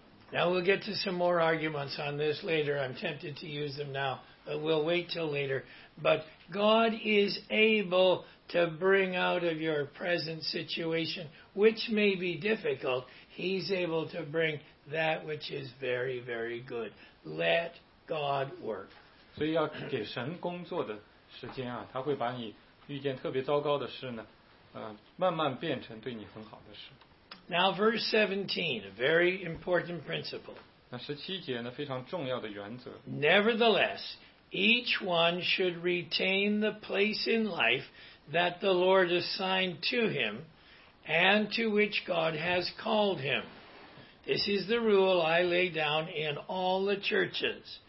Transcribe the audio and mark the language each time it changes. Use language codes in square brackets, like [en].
[en] Now we'll get to some more arguments on this later. I'm tempted to use them now, but we'll wait till later. But God is able to bring out of your present situation, which may be difficult, He's able to bring that which is very, very good. Let God work. [zh] 所以要给神工作的时间啊，他会把你遇见特别糟糕的事呢，慢慢变成对你很好的事。 [en] Now verse 17, a very important principle. [zh] 那17节呢，非常重要的原则。 [en] Nevertheless, each one should retain the place in life that the Lord assigned to him and to which God has called him. This is the rule I lay down in all the churches.